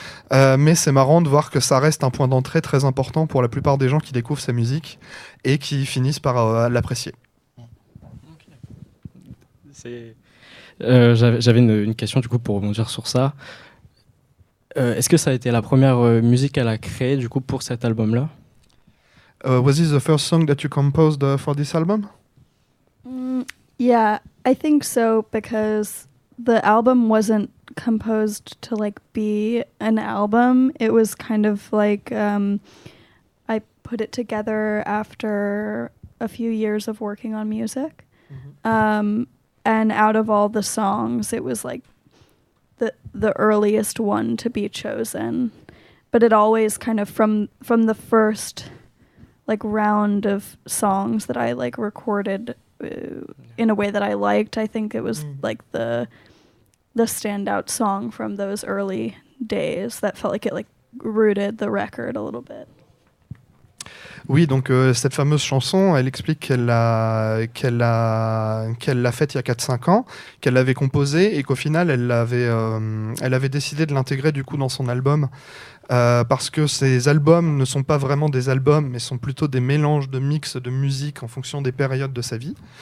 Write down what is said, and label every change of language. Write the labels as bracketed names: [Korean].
[French] Mais c'est marrant de voir que ça reste un point d'entrée très important pour la plupart des gens qui découvrent sa musique et qui finissent par l'apprécier. C'est... j'avais une question du coup pour rebondir sur ça. Est-ce que ça a été la première musique qu'elle a créée du coup pour cet album-là? [English] Was this the first song that you composed for this album? Yeah, I think so because the album wasn't composed to like be an album. It was kind of like I put it together after a few years of working on music. Mm-hmm. And out of all the songs, it was like the earliest one to be chosen. But it always kind of from the first like round of songs that I like recorded in a way that I liked, I think it was like the standout song from those early days that felt like it like rooted the record a little bit. [French] Oui, donc cette fameuse chanson, elle explique qu'elle l'a faite il y a 4-5 ans, qu'elle l'avait composée et qu'au final, elle avait décidé de l'intégrer du coup dans son album. Parce que ces albums ne sont pas vraiment des albums, mais sont plutôt des mélanges de mix de musique en fonction des périodes de sa vie.